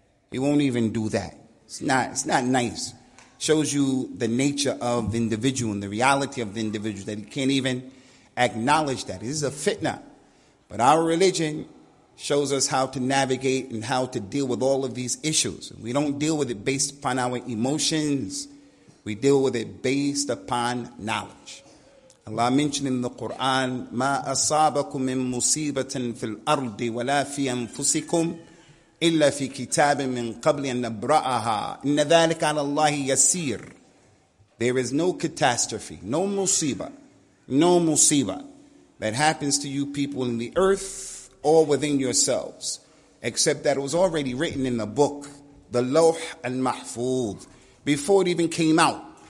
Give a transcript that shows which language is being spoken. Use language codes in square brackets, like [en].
[en] He won't even do that. It's not nice. Shows you the nature of the individual and the reality of the individual that he can't even acknowledge that. This is a fitna. But our religion shows us how to navigate and how to deal with all of these issues. We don't deal with it based upon our emotions. We deal with it based upon knowledge. Allah mentioned in the Quran, [ar] مَا أَصَابَكُم مِن مُصِيبَةٍ فِي الْأَرْضِ وَلَا فِي أَنفُسِكُمْ إِلَّا فِي كِتَابٍ مِن قَبْلِ أَن نَبْرَأَهَا إِنَّ ذَلِكَ عَلَى اللَّهِ يَسِيرٌ. [en] There is no catastrophe, no musiba that happens to you people in the earth or within yourselves, except that it was already written in the book, the Lawh al-Mahfuz, before it even came out.